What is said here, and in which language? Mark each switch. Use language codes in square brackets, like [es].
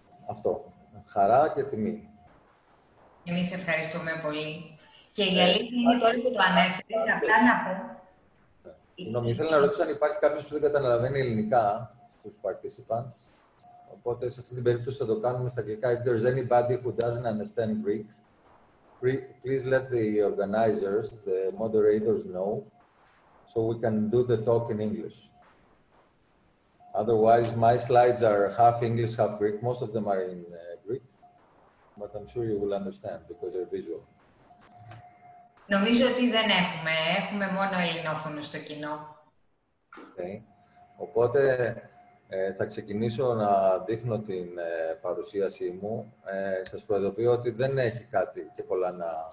[el] Αυτό. Χαρά και τιμή. Εμείς ευχαριστούμε πολύ. Και η αλήθεια είναι τώρα που το ανέφερες, απλά να πω. Συγγνώμη, ήθελα να ρωτήσω αν υπάρχει κάποιος που δεν καταλαβαίνει ελληνικά τους participants. Οπότε σε αυτή την περίπτωση θα το κάνουμε στα αγγλικά. [en] If there's anybody who doesn't understand Greek, please let the organizers, the moderators know, so we can do the talk in English. Otherwise, my slides are half English, half Greek. Most of them are in Greek, but I'm sure you will understand because they're visual. [el] Νομίζω ότι δεν έχουμε μόνο ελληνόφωνο στο κοινό. [en] Okay. [el] Οπότε θα ξεκινήσω να δείχνω την παρουσίασή μου. Σας προειδοποιώ ότι δεν έχει κάτι και πολλά να...